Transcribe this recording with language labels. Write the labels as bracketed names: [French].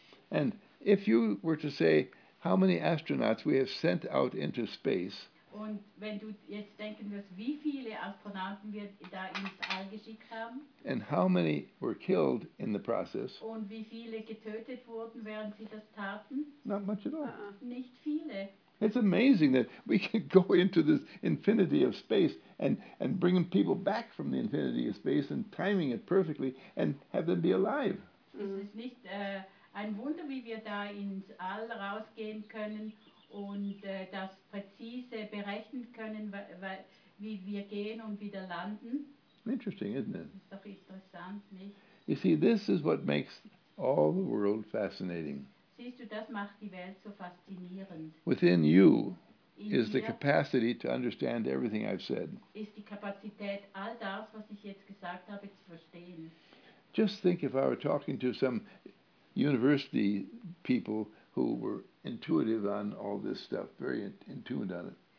[English] And if you were to say how many astronauts we have sent out into space, [German] und wenn du jetzt denken wirst, wie viele Astronauten wir da ins All geschickt haben, [English] and how many were killed in the process, [German] und wie viele getötet wurden, während sie das taten, [English] not much at all. [German] Nicht viele. [English] It's amazing that we can go into this infinity of space and bring people back from the infinity of space and timing it perfectly and have them be alive. [German] Es ist nicht ein Wunder, wie wir da ins All rausgehen können und das präzise berechnen können, wie wir gehen und wieder landen. [English] Interesting, isn't it? [German] Ist doch interessant, nicht? [English] You see, this is what makes all the world fascinating. [German] Siehst du, das macht die Welt so faszinierend. [English] Within you is the capacity to understand everything I've said. [German] Ist die Kapazität, all das, was ich jetzt gesagt habe, zu verstehen. [English] Just think if I were talking to some university people who were intuitive on all this stuff, very in tuned on it.